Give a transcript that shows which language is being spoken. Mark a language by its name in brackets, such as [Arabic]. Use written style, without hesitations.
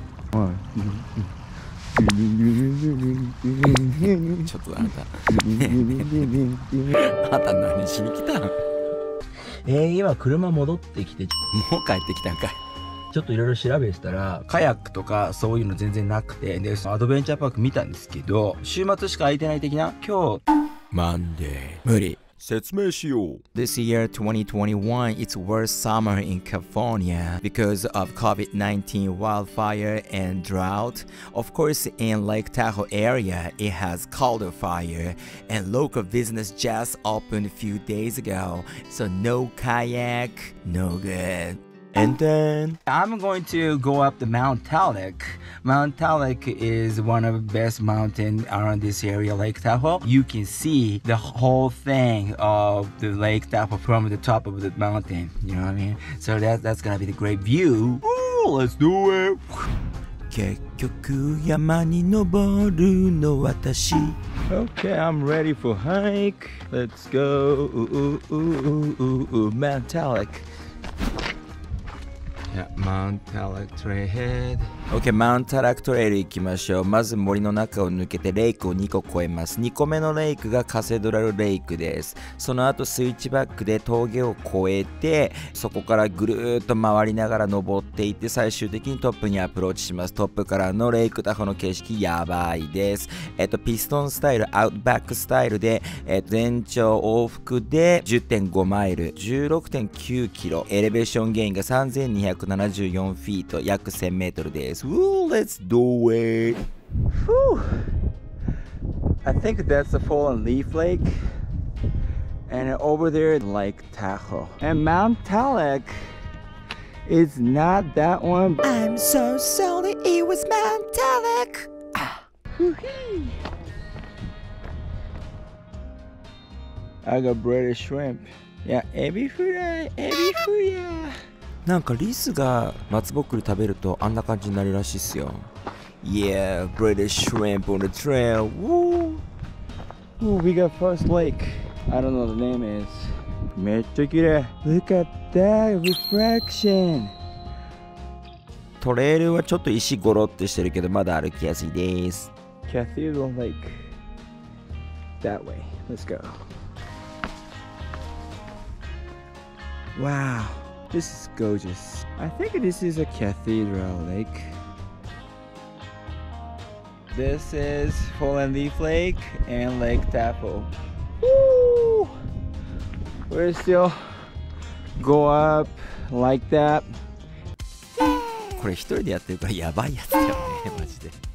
[Japanese] ちょっとあなた、あなた何しに来たん？今車戻ってきて、もう帰ってきたんかい。ちょっといろいろ調べてたら、カヤックとかそういうの全然なくて、でアドベンチャーパーク見たんですけど、週末しか空いてない的な。今日マンデー無理。説明しよう。 [English] This year 2021 it's worst summer in California because of COVID-19 wildfire and drought. Of course in Lake Tahoe area it has colder fire and local business just opened a few days ago. So no kayak, no good. And then I'm going to go up the Mount Talek. Mount Talek is one of the best mountain around this area, Lake Tahoe. You can see the whole thing of the Lake Tahoe from the top of the mountain. You know what I mean? So that's gonna be the great view. Ooh, let's do it. [Japanese] 結局山に登るの私。 [English] Okay, I'm ready for hike. Let's go. Ooh, ooh, ooh, ooh, ooh, ooh, Mount Talek. Mount Talek Trailhead. [Japanese] Okay, Mount Talek Trail 行きましょう。まず森の中を抜けてレイクを2個越えます。2個目のレイクがカセドラルレイクです。その後スイッチバックで峠を越えて、そこからぐるーっと回りながら登っていって、最終的にトップにアプローチします。トップからのレイクタホの景色やばいです。ピストンスタイル、アウトバックスタイルで、全長往復で 10.5 マイル、16.9 キロ、エレベーションゲインが3274フィート、約1000メートルです。 [English] Woo, let's do it. Whew. I think that's the fallen leaf lake. And over there, Lake Tahoe. And Mount Talek is not that one. I'm so sorry, it was Mount Talek. I got breaded shrimp. Yeah, ebi fry, ebi fry. [Japanese] なんかリスが松ぼっくり食べるとあんな感じになるらしいっすよ。 [English] Yeah, British shrimp on the trail. Woo! Ooh, we got first lake. I don't know the name is. [Japanese] めっちゃ綺麗。 [English] Look at that reflection. [Japanese] トレイルはちょっと石ゴロってしてるけどまだ歩きやすいです。 [English] Cathedral Lake. That way. Let's go. Wow. This is gorgeous. I think this is a cathedral lake. This is Fallen Leaf Lake and Lake Tahoe. Woo! We're still go up like that. [Japanese] これ一人でやってるからやばいやつだよね、マジで。